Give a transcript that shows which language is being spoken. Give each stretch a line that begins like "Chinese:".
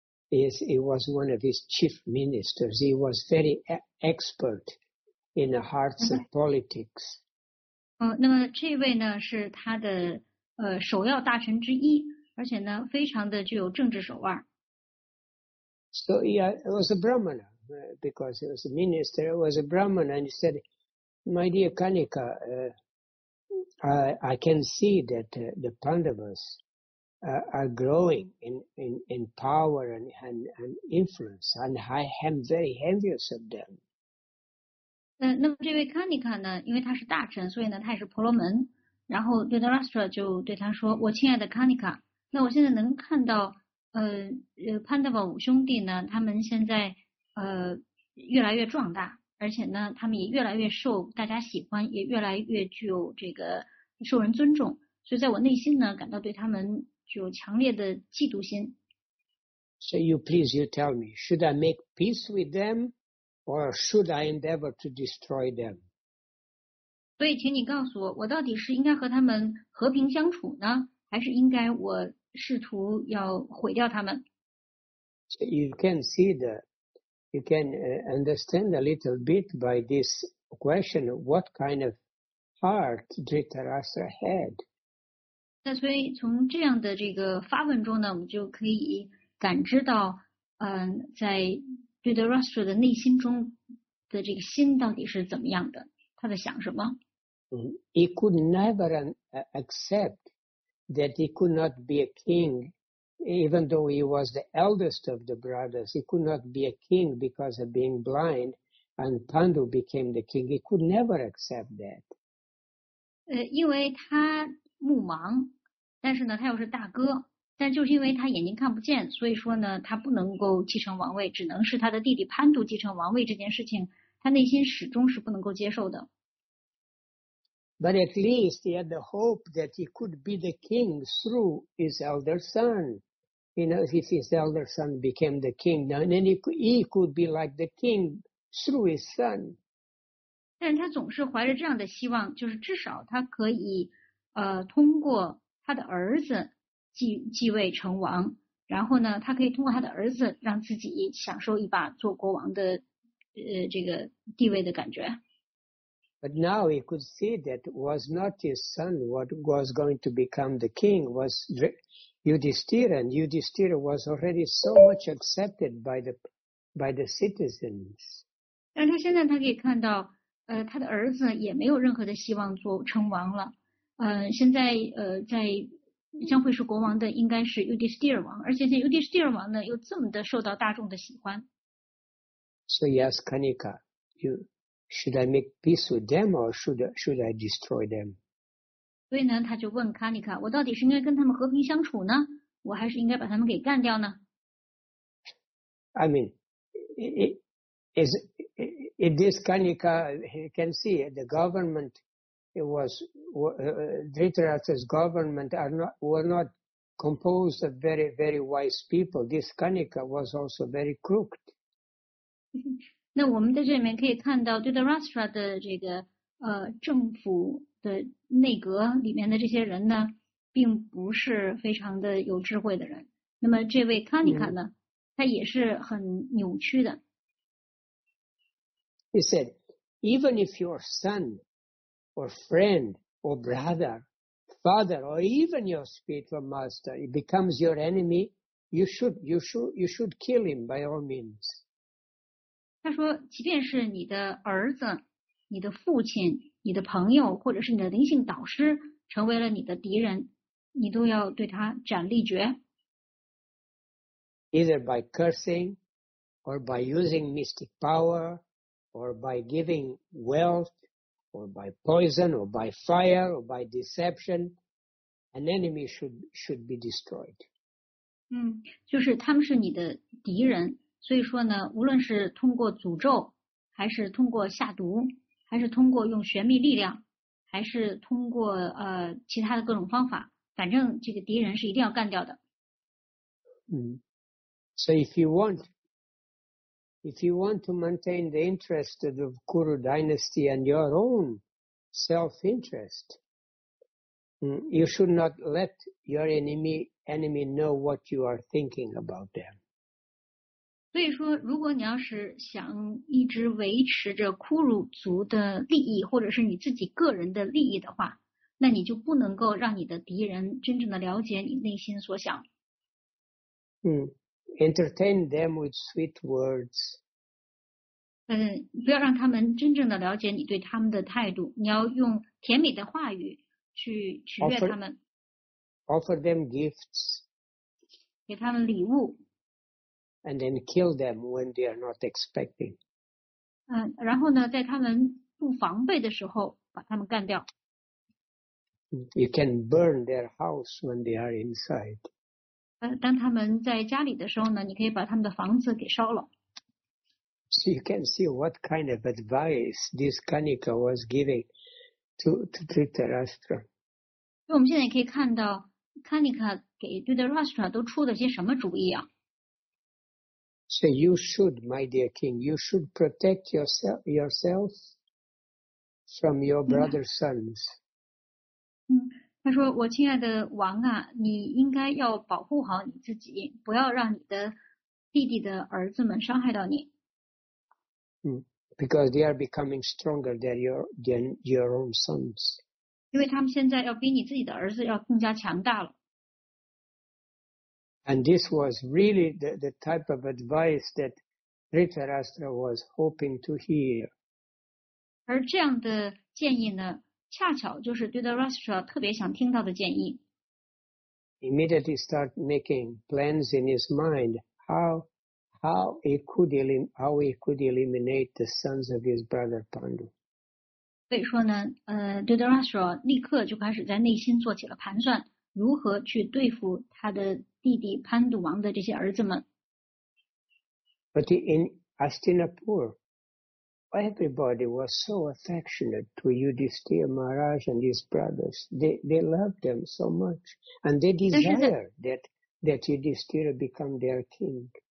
English: Yes, he was one of his chief ministers. He was very expert. In the hearts of politics.
Chinese: 那么这位呢是他的首要大臣之一，而且呢非常的具有政治手腕。
English: So he was a Brahmana, because he was a minister, he was a Brahmana, and he said, "My dear Kanika, I can see that the Pandavas are growing in power and influence, and I am very envious of them."
Chinese: 那么这位 Kanika 呢，因为他是大臣，所以呢他也是婆罗门，然后 Dhritarashtra 就对他说，我亲爱的 Kanika， 那我现在能看到Pandava 五兄弟呢，他们现在越来越壮大，而且呢他们也越来越受大家喜欢，也越来越具有这个受人尊重，所以在我内心呢感到对他们具有强烈的嫉妒心。
English: So you please, you tell me, should I make peace with themOr should I endeavor to destroy them?
Chinese: 所以请你告诉我，我到底是应该和他们和平相处呢，还是应该我试图要毁掉他们？
English: You can understand a little bit by this question what kind of heart Dhritarashtra had.
Chinese: 那所以从这样的这个发问中呢，我们就可以感知到，在Dhritarashtra 的内心中的这个心到底是怎么样的，他在想什么。
English: He could never accept that he could not be a king, even though he was the eldest of the brothers. He could not be a king because of being blind, and Pandu became the king. He could never accept that.
Chinese: 因为他目盲，但是呢他又是大哥。但就是因为他眼睛看不见，所以说呢他不能够继承王位，只能是他的弟弟潘度继承王位，这件事情他内心始终是不能够接受的。
English: But at least he had the hope that he could be the king through his elder son. You know, if his elder son became the king, then he could be like the king through his son.
Chinese: 但是他总是怀着这样的希望，就是至少他可以通过他的儿子继位成王，然后呢他可以通过他的儿子让自己享受一把做国王的这个地位的感觉。
English: But now he could see that was not his son what was going to become the king, was Yudhishthira, and Yudhishthira was already so much accepted by the citizens.
Chinese: 但他现在他可以看到他的儿子也没有任何的希望做成王了。现在在将会是国王的应该是 Yudhisthira 王，而且这 Yudhisthira 王呢又这么的受到大众的喜欢。
English: So he asked Kanika, should I make peace with them or should I destroy them?
Chinese: 所以呢他就问 Kanika, 我到底是应该跟他们和平相处呢我还是应该把他们给干掉呢？
English: I mean, if this Kanika can see the government, it was, Dhritarashtra's government were not composed of very, very wise people. This Kanika was also very crooked.
Chinese: 那我们在这里面可以看到 Dhritarashtra 的这个政府的内阁里面的这些人呢并不是非常的有智慧的人。那么这位 Kanika 呢、他也是很扭曲的。
English: He said, even if your son or friend or brother, father, or even your spiritual master becomes your enemy, you should kill him by all means.
Chinese: 他说即便是你的儿子你的父亲你的朋友或者是你的灵性导师成为了你的敌人你都要对他斩立决。
English: Either by cursing, or by using mystic power, or by giving wealth, or by poison, or by fire, or by deception, an enemy should be destroyed.
Chinese: 就是他们是你的敌人。所以说呢无论是通过诅咒还是通过下毒还是通过用玄秘力量还是通过其他的各种方法反正这个敌人是一定要干掉的。
English: So if you want to maintain the interest of the Kuru dynasty and your own self-interest, you should not let your enemy know what you are thinking about them.
Chinese: 所以说如果你要是想一直维持着库鲁族的利益或者是你自己个人的利益的话那你就不能够让你的敌人真正的了解你内心所想。
English: Entertain them with sweet words.
Chinese: 不要让他们真正的了解你对他们的态度你要用甜美的话语去取悦他们。
English: Offer them gifts.
Chinese: 给他们礼物。
English: And then kill them when they are not expecting.
Chinese: 然后呢，在他们不防备的时候，把他们干掉。
English: You can burn their house when they are inside.
Chinese: 当他们在家里的时候呢，你可以把他们的房子给烧了。
English: So you can see what kind of advice this Kanika was giving to Dhritarashtra.
Chinese: 所以我们现在可以看到 ，Kanika 给 Dhritarashtra 都出了些什么主意啊？
English: So you should, my dear king, you should protect yourself from your brother's sons.
Chinese: 他说我亲爱的王啊你应该要保护好你自己不要让你的弟弟的儿子们伤害到你。
English: Because they are becoming stronger than your own sons.
Chinese: 因为他们现在要比你自己的儿子要更加强大了。
English: And this was really the type of advice that Dhritarashtra was hoping to hear.
Chinese: 而这样的建议呢，恰巧就是 Dhritarashtra 特别想听到的建议。
English: Immediately start making plans in his mind how he could eliminate the sons of his brother Pandu.
Chinese: 所以说呢，Dhritarashtra 立刻就开始在内心做起了盘算，如何去对付他的。弟弟潘杜王的这些儿子们。
English: But in Astinapur, everybody was so affectionate to Yudhisthira Maharaj and his brothers. They loved them so much, and they desired that Yudhisthira become their king.